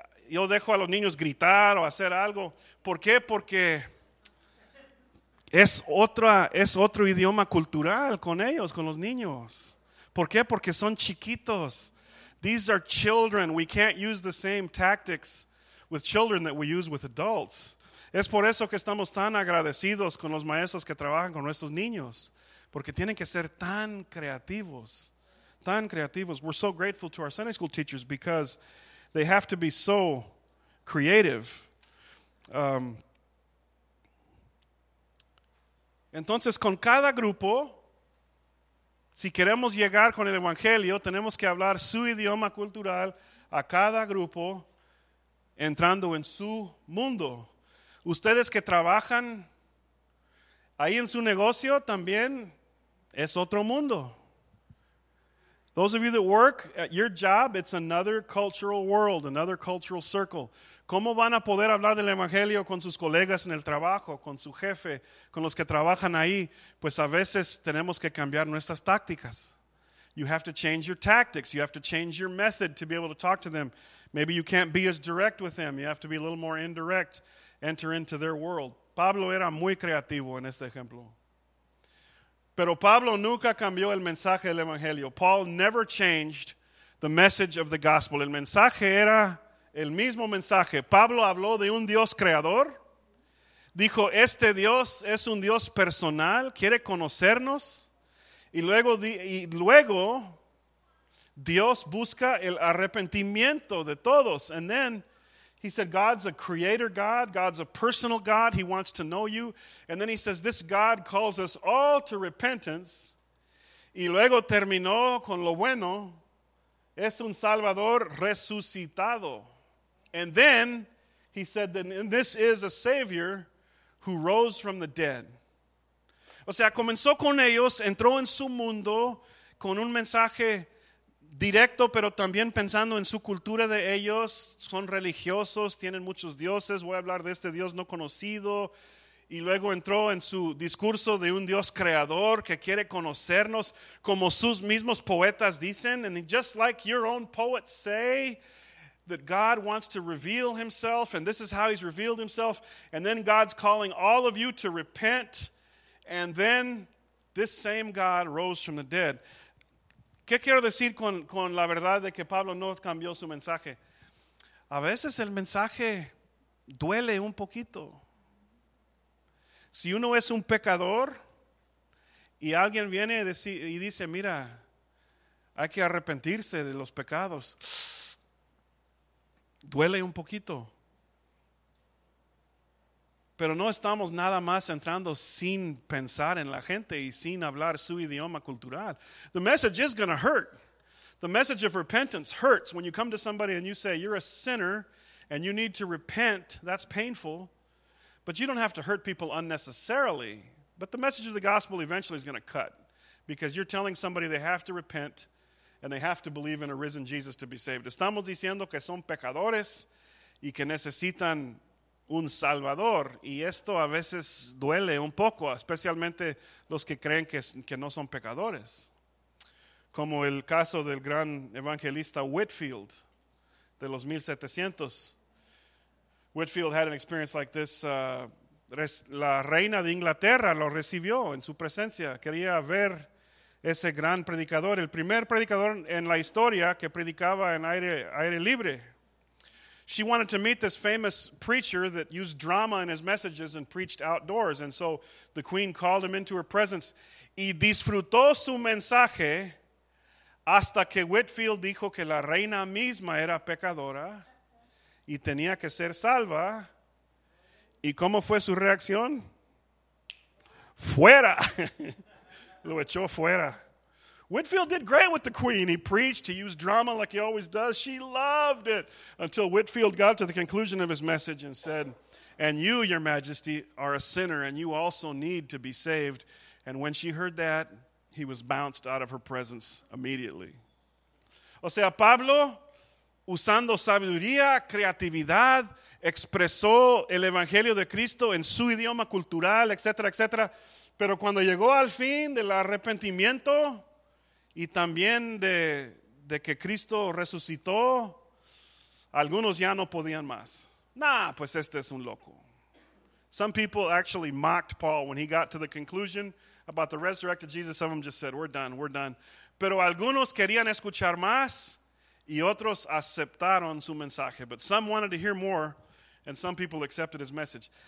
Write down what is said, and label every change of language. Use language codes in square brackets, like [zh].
[es] Yo dejo a los niños gritar o hacer algo. ¿Por qué? Porque es otro idioma cultural con ellos, con los niños. ¿Por qué? Porque son chiquitos. [en] These are children. We can't use the same tactics with children that we use with adults. [es] Es por eso que estamos tan agradecidos con los maestros que trabajan con nuestros niños. Porque tienen que ser tan creativos. Tan creativos. [en] We're so grateful to our Sunday school teachers because they have to be so creative. [es] Entonces, con cada grupo, si queremos llegar con el evangelio, tenemos que hablar su idioma cultural a cada grupo entrando en su mundo. Ustedes que trabajan ahí en su negocio también es otro mundo. [en] Those of you that work at your job, it's another cultural world, another cultural circle. [es] ¿Cómo van a poder hablar del evangelio con sus colegas en el trabajo, con su jefe, con los que trabajan ahí? Pues a veces tenemos que cambiar nuestras tácticas. [en] You have to change your tactics. You have to change your method to be able to talk to them. Maybe you can't be as direct with them. You have to be a little more indirect, enter into their world. [es] Pablo era muy creativo en este ejemplo. Pero Pablo nunca cambió el mensaje del evangelio. [en] Paul never changed the message of the gospel. [es] El mensaje era el mismo mensaje. Pablo habló de un Dios creador. Dijo, este Dios es un Dios personal, quiere conocernos. Y luego Dios busca el arrepentimiento de todos. [en] And then he said, God's a creator God. God's a personal God. He wants to know you. And then he says, this God calls us all to repentance. [es] Y luego terminó con lo bueno. Es un Salvador resucitado. [en] And then he said, that this is a Savior who rose from the dead. [es] O sea, comenzó con ellos, entró en su mundo con un mensaje directo, pero también pensando en su cultura de ellos. Son religiosos, tienen muchos dioses. Voy a hablar de este Dios no conocido. Y luego entró en su discurso de un Dios creador que quiere conocernos, como sus mismos poetas dicen. [en] And just like your own poets say, that God wants to reveal himself, and this is how he's revealed himself. And then God's calling all of you to repent. And then this same God rose from the dead. [es] ¿Qué quiero decir con la verdad de que Pablo no cambió su mensaje? A veces el mensaje duele un poquito. Si uno es un pecador y alguien viene y dice, mira, hay que arrepentirse de los pecados, duele un poquito. Pero no estamos nada más entrando sin pensar en la gente y sin hablar su idioma cultural. [en] The message is going to hurt. The message of repentance hurts. When you come to somebody and you say, you're a sinner and you need to repent, that's painful. But you don't have to hurt people unnecessarily. But the message of the gospel eventually is going to cut. Because you're telling somebody they have to repent and they have to believe in a risen Jesus to be saved. [es] Estamos diciendo que son pecadores y que necesitan un Salvador, y esto a veces duele un poco, especialmente los que creen que no son pecadores, como el caso del gran evangelista Whitfield de los 1700. [en] Whitfield had an experience like this. [es] La reina de Inglaterra lo recibió en su presencia, quería ver ese gran predicador, el primer predicador en la historia que predicaba en aire libre. [en] She wanted to meet this famous preacher that used drama in his messages and preached outdoors. And so the queen called him into her presence. [es] Y disfrutó su mensaje hasta que Whitfield dijo que la reina misma era pecadora y tenía que ser salva. ¿Y cómo fue su reacción? ¡Fuera! Lo echó fuera. [en] Whitfield did great with the queen. He preached, he used drama like he always does. She loved it until Whitfield got to the conclusion of his message and said, "And you, your majesty, are a sinner, and you also need to be saved." And when she heard that, he was bounced out of her presence immediately. [es] O sea, Pablo, usando sabiduría, creatividad, expresó el evangelio de Cristo en su idioma cultural, etcétera, etcétera. Pero cuando llegó al fin del arrepentimiento y también de que Cristo resucitó, algunos ya no podían más. Nah, pues este es un loco. [en] Some people actually mocked Paul when he got to the conclusion about the resurrected Jesus. Some of them just said, "We're done, we're done." [es] Pero algunos querían escuchar más y otros aceptaron su mensaje. [en] But some wanted to hear more and some people accepted his message.